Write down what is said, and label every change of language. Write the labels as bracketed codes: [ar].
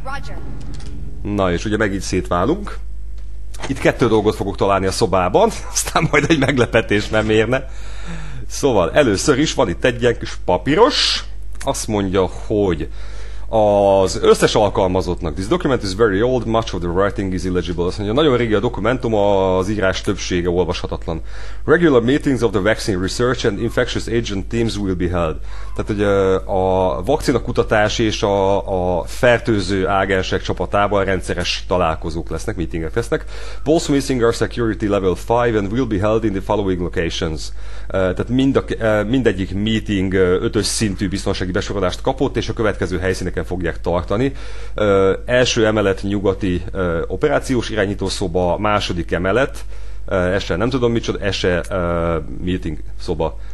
[en] Roger. [hu] Na, és ugye megint szétválunk. Itt kettő dolgot fogok találni a szobában, aztán majd egy meglepetés nem érne. Szóval, először is van itt egy ilyen kis papíros. Azt mondja, hogy az összes alkalmazottnak. [en] This document is very old, much of the writing is illegible. [hu] Azt mondja, nagyon régi a dokumentum, az írás többsége olvashatatlan. [en] Regular meetings of the vaccine research and infectious agent teams will be held. [hu] Tehát, hogy a vakcina kutatás és a fertőző ágensek csapatában rendszeres találkozók lesznek, meetingek lesznek. [en] Both missing are security level 5 and will be held in the following locations. [hu] Tehát mindegyik meeting ötös szintű biztonsági besorolást kapott, és a következő helyszíneken fogják tartani. Első emelet nyugati operációs irányítószoba, második emelet, ese nem tudom micsoda, ese meeting szoba.